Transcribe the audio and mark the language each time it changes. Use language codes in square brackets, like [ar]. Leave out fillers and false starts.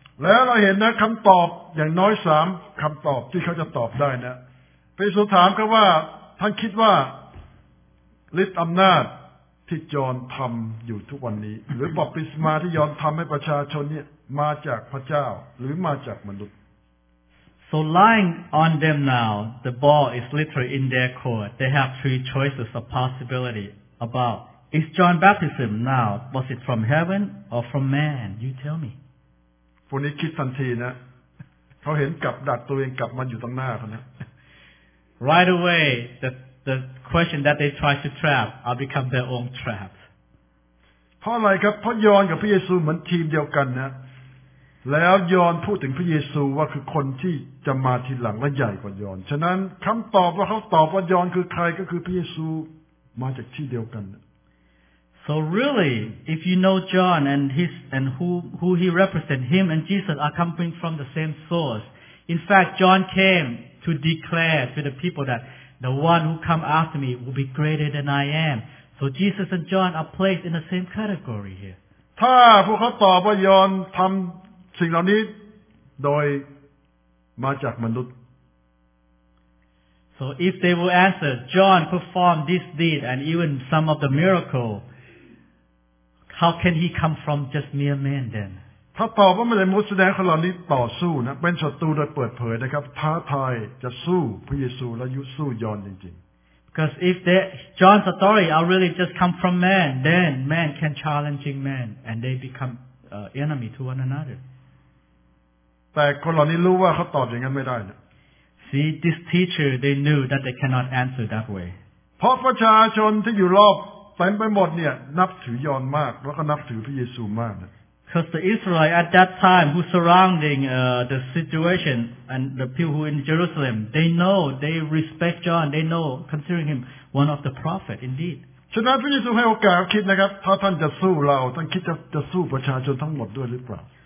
[th] แล้วเราเห็นนะคำตอบอย่างน้อยสามคำตอบที่เขาจะตอบได้นะพระเยซูถามเขาว่าท่านคิดว่าฤทธิ์อำนาจที่ยอห์นทำอยู่ทุกวันนี้หรือบัพติศมาที่ยอห์นทำให้ประชาชนเนี่ยมาจากพระเจ้าหรือมาจากมนุษย์ [en] So lying on them now, the ball is literally in their court. They have three choices of possibility about is John baptism now was it from heaven or from man? You tell me. [th] คนนี้คิดทันทีนะเขาเห็นกับดักตัวเองกับมันอยู่ตรงหน้าเขานะ [en] Right away the question that they try to trap I'll become their own trap [th] เพราะอะไรครับเพราะยอห์นกับพระเยซูเหมือนทีมเดียวกันนะแล้วยอห์นพูดถึงพระเยซูว่าคือคนที่จะมาทีหลังและใหญ่กว่ายอห์นฉะนั้นคำตอบว่าเขาตอบว่ายอห์นคือใครก็คือพระเยซูมาจากที่เดียวกัน [en] So really if you know John and his and who he represent him and Jesus are coming from the same source in fact John cameto declare to the people that the one who come after me will be greater than I am. So Jesus and John are placed in the same category here. [th] ถ้าพวกเขาตอบว่ายอห์นทำสิ่งเหล่านี้โดยมาจากมนุษย์ [en] So if they will answer, John performed this deed and even some of the miracle, how can he come from just mere man then? [th] ถ้าตอบว่าไม่ได้มนุษย์แสดงคนเหล่านี้ต่อสู้นะเป็นศัตรูโดยเปิดเผยนะครับท้าทายจะสู้พระเยซูและยุสู้ยอห์นจริง [en] ๆ Because if they John's authority are really just come from man then man can challenging man and they become enemy to one another [th] แต่คนเหล่านี้รู้ว่าเขาตอบอย่างนั้นไม่ได้นะ [en] See this teacher they knew that they cannot answer that way [th] เพราะประชาชนที่อยู่รอบเต็มไปหมดเนี่ยนับถือยอห์นมากแล้วก็นับถือพระเยซูมากนะ [en] Because the Israelites at that time who surrounding the situation and the people who in Jerusalem, they know, they respect John, they know, considering him one of the prophets indeed. [th] ฉะนั้นพระเยซูให้โอกาสคิดนะครับถ้าท่านจะสู้เราท่านคิดจะสู้ประชาชนทั้งหมดด้วยหรือเปล่า